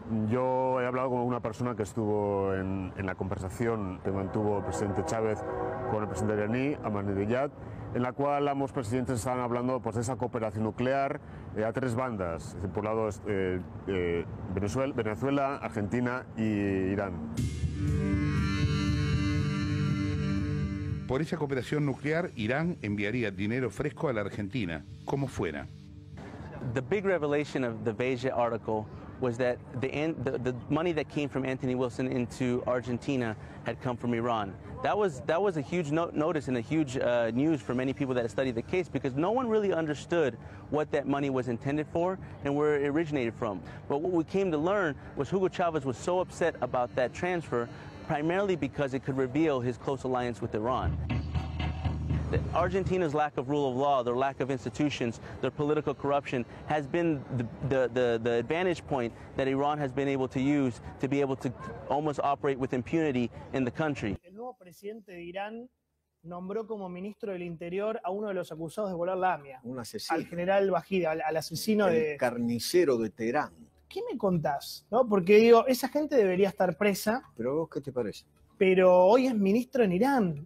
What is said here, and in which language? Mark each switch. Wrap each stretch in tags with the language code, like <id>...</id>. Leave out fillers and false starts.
<es>Yo he hablado con una persona que estuvo en la conversación que mantuvo el presidente Chávez con el presidente iraní, Ahmadinejad, en la cual ambos presidentes estaban hablando, pues, de esa cooperación nuclear a tres bandas, por un lado Venezuela, Argentina e Irán. Por esa cooperación nuclear, Irán enviaría dinero fresco a la Argentina, como fuera.</es> <en>The big revelation of the Veja article was that the money that came from Anthony Wilson into Argentina had come from Iran. That was a huge notice and a huge news for many people that studied the case, because no one really understood what that money was intended for and where it originated from. But what we came to learn was Hugo Chavez was so upset about that transfer primarily because it could reveal his close alliance with Iran. Argentina's lack of rule of law, their lack of institutions, their political corruption has been the advantage point that Iran has been able to use to be able to almost operate with impunity in the country.</en> <es>El nuevo presidente de Irán nombró como ministro del Interior a uno de los acusados de volar la AMIA. Un asesino. Al general Bajid, al asesino el de... El carnicero de Teherán. ¿Qué me contás? ¿No? Porque digo, esa gente debería estar presa. ¿Pero vos qué te parece? Pero hoy es ministro en Irán.</es>